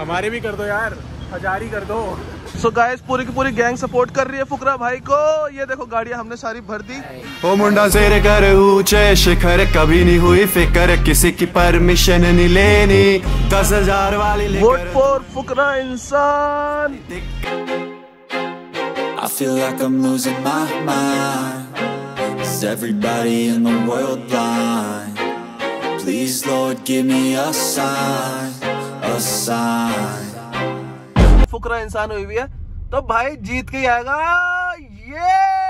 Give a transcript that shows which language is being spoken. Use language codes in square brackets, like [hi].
[hi] हमारे भी कर दो यार, हजार ही कर दो. [en] so guys [hi] पूरी की पूरी गैंग सपोर्ट कर रही है फुकरा भाई को. ये देखो गाड़ियां हमने सारी भर दी. ओ मुंडा सेरे कर ऊंचे शिखर, कभी नहीं हुई फिकर, किसी की परमिशन नहीं लेनी, 10,000 वाली लेकर. [en] Vote for फुकरा इंसान. I feel like I'm losing my mind. Is everybody in the world blind? Please Lord give me a sign. A sign. [hi] फुकरा इंसान हुई भी है तो भाई जीत के आएगा ये.